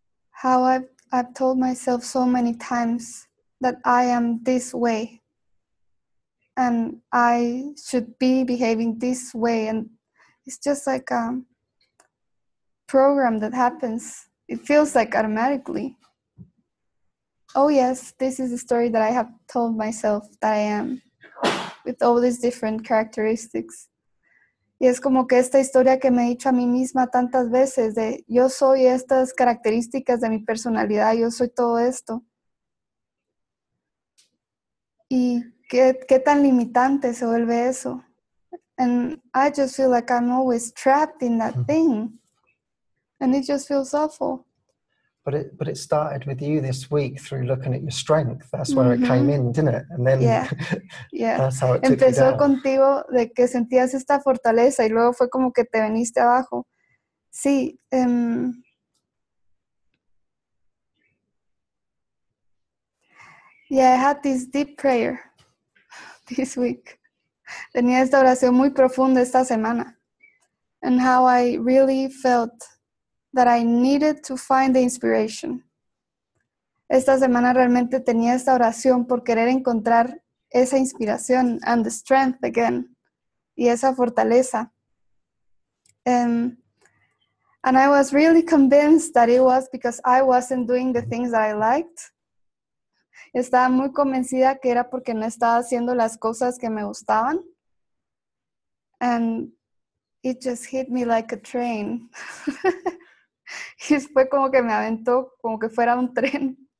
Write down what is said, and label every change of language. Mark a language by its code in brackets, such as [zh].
[en] How I've told myself so many times that I am this way and I should be behaving this way, and it's just like program that happens. It feels like automatically. Oh yes, this is the story that I have told myself that I am, with all these different characteristics. [es] Y es como que esta historia que me he dicho a mí misma tantas veces de yo soy estas características de mi personalidad, yo soy todo esto. Y qué tan limitante se vuelve eso. [en] And I just feel like I'm always trapped in that thing. And it just feels awful. But it started with you this week through looking at your strength. That's where it came in, didn't it? And then that's how it took [es] empezó [en] you down. [es] Contigo de que sentías esta fortaleza y luego fue como que te viniste abajo. Sí. [en] I had this deep prayer this week. [es] Tenía esta oración muy profunda esta semana. [en] And how I really felt that I needed to find the inspiration. [es] Esta semana realmente tenía esta oración por querer encontrar esa inspiración [en] and the strength again, [es] y esa fortaleza. [en] And I was really convinced that it was because I wasn't doing the things that I liked. [es] Estaba muy convencida que era porque no estaba haciendo las cosas que me gustaban. [en] And it just hit me like a train. [es] Y fue como que me aventó, como que fuera un tren.